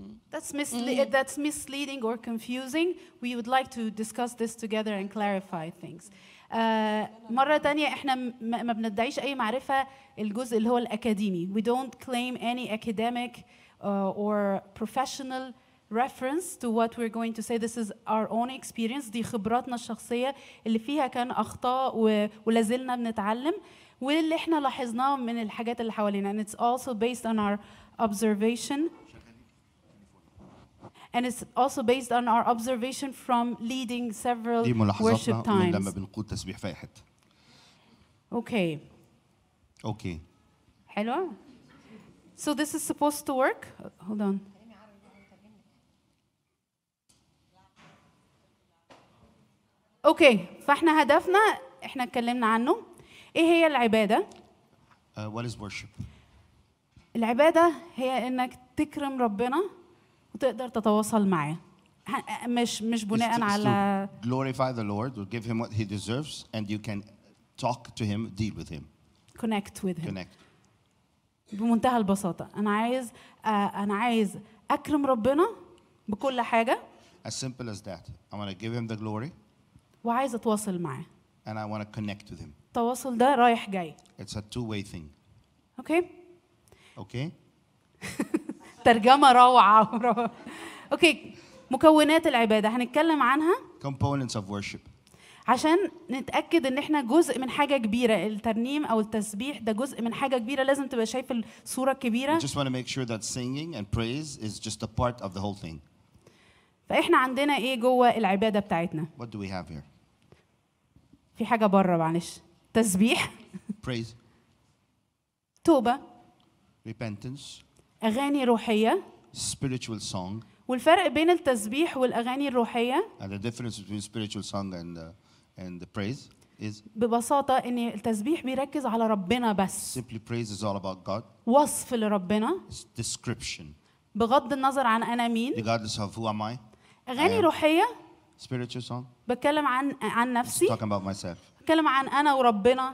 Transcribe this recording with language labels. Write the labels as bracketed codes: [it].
[en] that's misleading or confusing, we would like to discuss this together and clarify things. [ar] مرة تانية احنا ما بندعيش اي معرفة الجزء اللي هو الاكاديمي. [en] We don't claim any academic or professional reference to what we're going to say. This is our own experience. [ar] دي خبراتنا الشخصية اللي فيها كان اخطاء ولازلنا بنتعلم واللي احنا لاحظناه من الحاجات اللي حوالينا. [en] And it's also based on our observation. And it's also based on our observation from leading several worship times. [ar] لما بنقود تسبيح فايحت. [en] Okay. [ar] حلوة. [en] So this is supposed to work. Hold on. [ar] Okay. فاحنا هدفنا احنا اتكلمنا عنه. ايه هي العبادة؟ [en] What is worship? [ar] العبادة هي انك تكرم ربنا. تقدر تتواصل معه مش بناء على [en] glorify the Lord or give him what he deserves and you can talk to him, deal with him, connect with him. [ar] بمنتهى البساطة انا عايز اكرم ربنا بكل حاجة. [en] As simple as that. I want to give him the glory [ar] وعايز اتواصل معه [en] and I want to connect with him. [ar] التواصل ده رايح جاي. [en] It's a two way thing. [ar] Okay. ترجمة روعة. أوكي. مكونات العبادة هنتكلم عنها. [en] Components of worship. [ar] عشان نتأكد إن إحنا جزء من حاجة كبيرة. الترنيم أو التسبيح ده جزء من حاجة كبيرة. لازم تبقى شايف الصورة الكبيرة. [en] We just want to make sure that singing and praise is just a part of the whole thing. [ar] فإحنا عندنا إيه جوة العبادة بتاعتنا. [en] What do we have here? [ar] في حاجة برة معلش. تسبيح. [en] Praise. [ar] توبة. [en] Repentance. [ar] أغاني روحية. [en] Spiritual song. [ar] والفرق بين التسبيح والأغاني الروحية. [en] And the difference between spiritual song and the praise is. [ar] ببساطة إن التسبيح بيركز على ربنا بس. [en] Simply praise is all about God. [ar] وصف لربنا. [en] It's description. [ar] بغض النظر عن أنا مين. [en] Regardless of who am I. [ar] أغاني روحية. [en] Spiritual song. [ar] بتكلم عن نفسي. [en] It's talking about myself. [ar] بتكلم عن أنا وربنا.